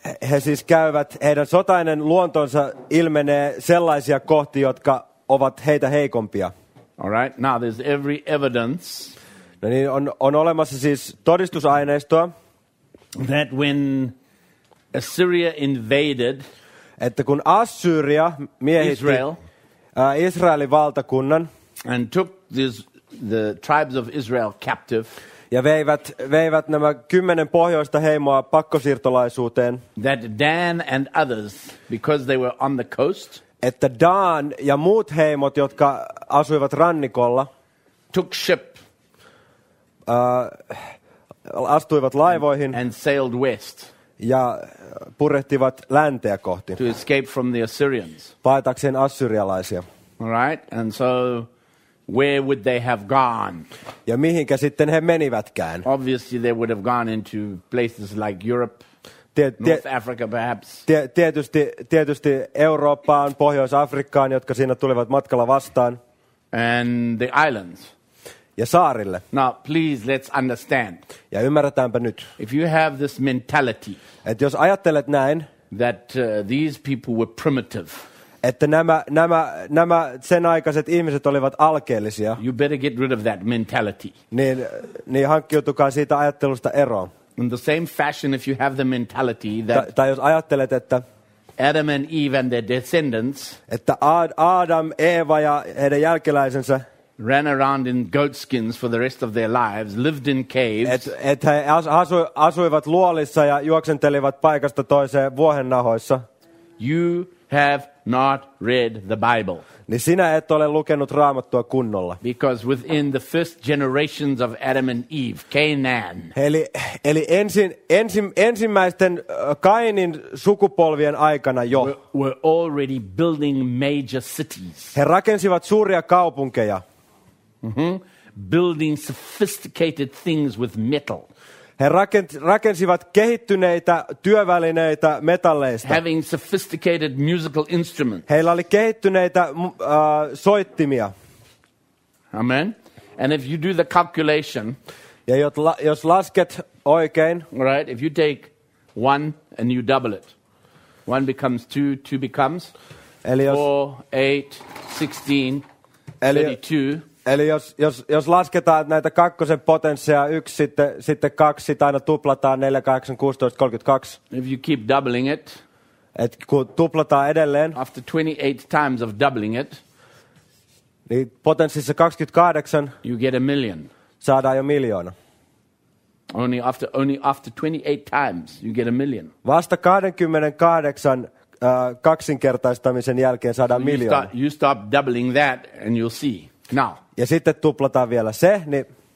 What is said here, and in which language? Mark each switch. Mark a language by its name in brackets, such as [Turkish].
[Finnish] He siis käyvät, heidän sotainen luontonsa ilmenee sellaisia kohti, jotka ovat heitä heikompia. [English] All right. Now there's every evidence. [Finnish] No niin, on olemassa siis todistusaineistoa, [English] that when Assyria invaded, [Finnish] että kun Assyria miehitti Israelin valtakunnan [English] and took the tribes of Israel captive, [Finnish] ja veivät nämä 10 pohjoista heimoa pakkosiirtolaisuuteen, [English] that Dan and others, because they were on the coast, [Finnish] että Dan ja muut heimot, jotka asuivat rannikolla, [English] took ship, [Finnish] astuivat laivoihin [English] and sailed west, [Finnish] ja purehtivat länteä kohti, [English] to escape from the Assyrians, [Finnish] paetakseen assyrialaisia. [English] All right, and so where would they have gone? [Finnish] Ja mihinkä sitten he menivätkään? [English] Obviously they would have gone into places like Europe, North Africa perhaps. [Finnish] Tietysti Eurooppaan, Pohjois-Afrikkaan, jotka siinä tulivat matkalla vastaan. [English] And the islands. [Finnish] Ja saarille. [English] Now please let's understand. [Finnish] Ja ymmärretäänpä nyt. [English] If you have this mentality, [Finnish] että jos ajattelet näin, [English] that these people were primitive, [Finnish] että nämä sen aikaiset ihmiset olivat alkeellisia, [English] you better get rid of that mentality. [Finnish] Niin hankkiutukaa siitä ajattelusta eroon. [English] In the same fashion, if you have the mentality that, [Finnish] tai jos ajattelet, että [English] Adam and Eve and their descendants, [Finnish] että Adam, Eeva ja heidän jälkeläisensä [English] ran around in goatskins for the rest of their lives, lived in caves, [Finnish] et he asuivat luolissa ja juoksentelivat paikasta toiseen vuohennahoissa, [English] you have not read the Bible. [Finnish] Niin sinä et ole lukenut Raamattua kunnolla. [English] Because within the first generations of Adam and Eve, Canaan. [Finnish] Eli ensimmäisten Kainin sukupolvien aikana jo. [English] Were already building major cities. [Finnish] He rakensivat suuria kaupunkeja. Mm-hmm. [English] Building sophisticated things with metal. [Finnish] He rakensivat kehittyneitä työvälineitä metalleista. [English] Having sophisticated musical instruments. [Finnish] Heillä oli kehittyneitä soittimia. [English] Amen. And if you do the calculation, [Finnish] ja jos lasket oikein, [English] right, if you take one and you double it, one becomes two, two becomes [Finnish] eli [English] four, [Finnish] jos, [English] eight, 16, eli 32. [Finnish] Eli jos lasketaan näitä kakkosen potenssia, yksi, sitten kaksi, sitten aina tuplataan, 4, 8, 16, 32. [English] If you keep doubling it, [Finnish] et kun tuplataan edelleen, [English] after 28 times of doubling it, [Finnish] niin potenssissa 28, [English] you get a million. [Finnish] Saadaan jo miljoona. [English] Only after 28 times, you get a million. [Finnish] Vasta 28 kaksinkertaistamisen jälkeen saadaan miljoona. [English] You stop doubling that and you'll see. Now, [Finnish] ja sitten tuplataan vielä se, niin